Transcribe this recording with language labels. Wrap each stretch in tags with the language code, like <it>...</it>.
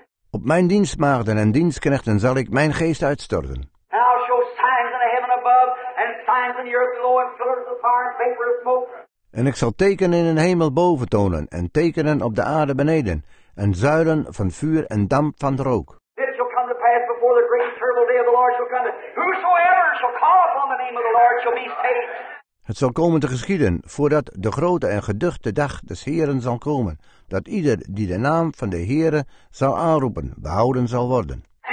<nl>Op mijn dienstmaagden en dienstknechten zal ik mijn geest uitstorten.</nl> <en>And I'll show signs in the heaven above and signs in the earth below and pillars of fire and vapor of smoke.</en> <nl>En ik zal tekenen in de hemel boven tonen en tekenen op de aarde beneden en zuilen van vuur en damp van de rook.</nl> <en>It shall come to pass before the great and terrible day of the Lord shall come. Whosoever shall call upon the name of the Lord shall be saved.</en> <nl>Het zal komen te geschieden, voordat de grote en geduchte dag des Heren zal komen, dat ieder die de naam van de Heren zal aanroepen, behouden zal worden.</nl>